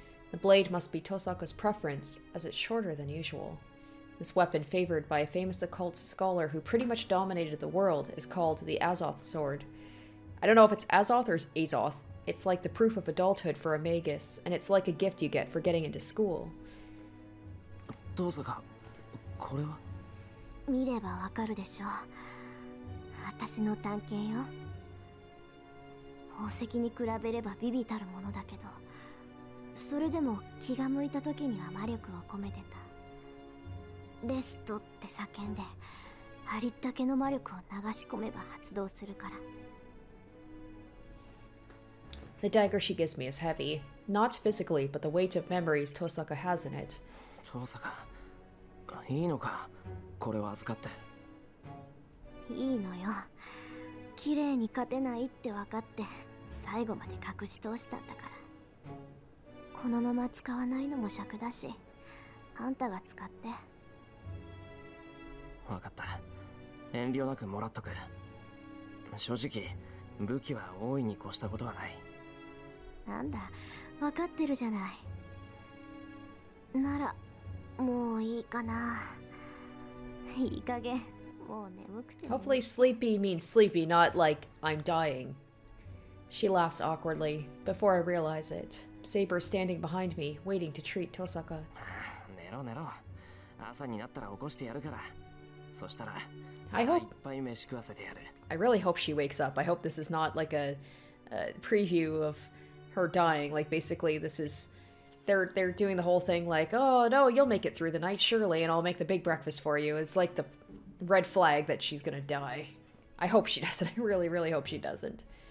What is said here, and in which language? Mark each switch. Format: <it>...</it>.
<en>The blade must be Tosaka's preference, as it's shorter than usual. This weapon, favored by a famous occult scholar who pretty much dominated the world, is called the Azoth Sword. I don't know if it's Azoth or Azoth. It's like the proof of adulthood for a magus, and it's like a gift you get for getting into school.</en> <ja>Tosaka, これは見ればわかるでしょう。私の探検よ。宝石に比べればビビたるものだけど、それでも気が向いた時には魔力を込めてた。レストって叫んで、ありったけの魔力を流し込めば発動するから。</ja> <en>The dagger she gives me is heavy. Not physically, but the weight of memories Tosaka has in it.</en> <ja>Tosaka, いいのか、これを預かって。いいのよ。綺麗に勝てないって分かって、最後まで隠し通したんだから。このまま使わないのも尺だし、あんたが使って。分かった。遠慮なくもらっとく。正直、武器は大いに越したことはない。なんだ、分かってるじゃない。なら、もういいかな。いい加減、もう眠くて。</ja> <en>Hopefully sleepy means sleepy, not like I'm dying. She laughs awkwardly. Before I realize it, Saber standing behind me, waiting to treat Tosaka.</en> <ja>寝ろ寝ろ。朝になったら起こしてやるから。そしたら、</ja> <en>I hope.</en> <ja>いっぱい飯食わせてやる。</ja> <en>I really hope she wakes up. I hope this is not like a preview of. Her dying, like basically this is, they're doing the whole thing like, oh no, you'll make it through the night, surely, and I'll make the big breakfast for you. It's like the red flag that she's gonna die. I hope she doesn't, I really, really hope she doesn't.</en>